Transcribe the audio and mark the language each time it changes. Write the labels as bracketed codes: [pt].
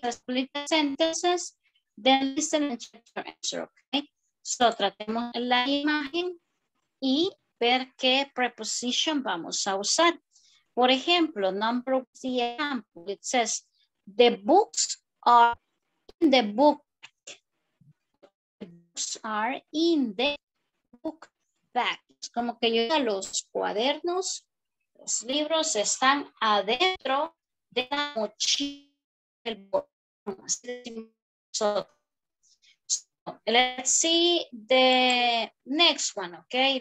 [en] Let's split the sentences, then listen and check your answer. Okay. [es] So, tratemos la imagen y ver qué preposición vamos a usar. Por ejemplo, [en] number of the example, it says, the books are in the book. The books are in the book bag. [es] Es como que yo diga, los cuadernos, los libros están adentro de la mochila. [en] Let's see the next one, okay?